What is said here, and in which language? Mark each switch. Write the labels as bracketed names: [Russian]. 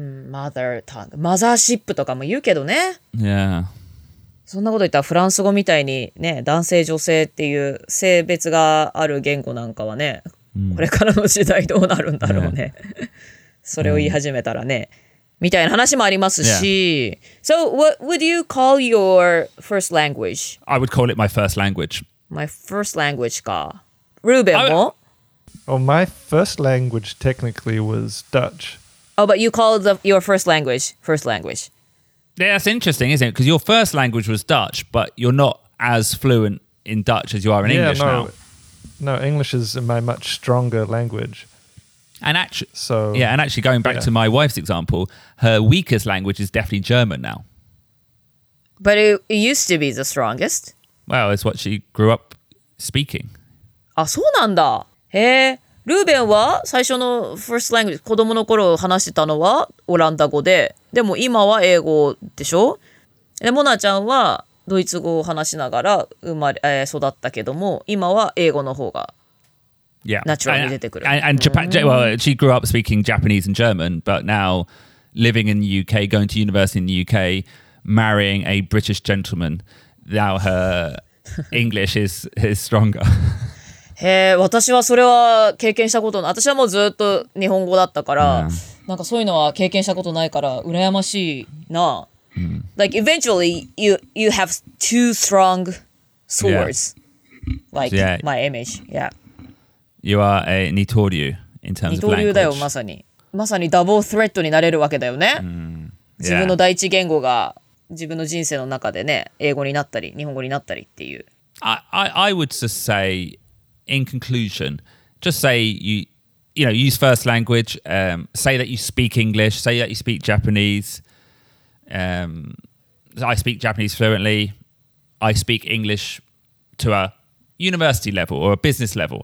[English] Mother tongue. [Japanese] マザーシップとかも言うけどね。 [English] Yeah. [Japanese] そんなこと言ったらフランス語みたいにね、男性女性っていう性別がある言語なんかはね、これからの時代どうなるんだろうね。それを言い始めたらね、みたいな話もありますし。 [English] So what would you call your first language? I would call it my first language. My first language か。Ruben も? Well, my first language technically was Dutch. Oh, but you called your first language. Yeah, that's interesting, isn't it? Because your first language was Dutch, but you're not as fluent in Dutch as you are in English now. No, English is my much stronger language. And actually, going back to my wife's example, her weakest language is definitely German now. But it used to be the strongest. Well, it's what she grew up speaking. [Japanese] Ah, so なんだ。へえ。ルーベンは最初の first language、子供の頃話してたのはオランダ語で、でも今は英語でしょ？で、モナちゃんはドイツ語を話しながら育ったけども、今は英語の方がナチュラルに出てくる。 [English] And Japan, well, she grew up speaking Japanese and German, but now living in the UK, going to university in the UK, marrying a British gentleman, now her English is stronger. [Japanese] へえ、私はそれは経験したことない。私はもうずっと日本語だったから、なんかそういうのは経験したことないから羨ましいな。 [English] Like eventually you have two strong swords. Like my image. Yeah. You are a 二刀流 in terms of language. [Japanese] 二刀流だよ、まさに。まさにダブルスレッドになれるわけだよね。自分の第一言語が自分の人生の中でね、英語になったり日本語になったりっていう。 [English] I would just say, in conclusion, just say you know, use first language, say that you speak English, say that you speak Japanese. I speak Japanese fluently. I speak English to a university level or a business level.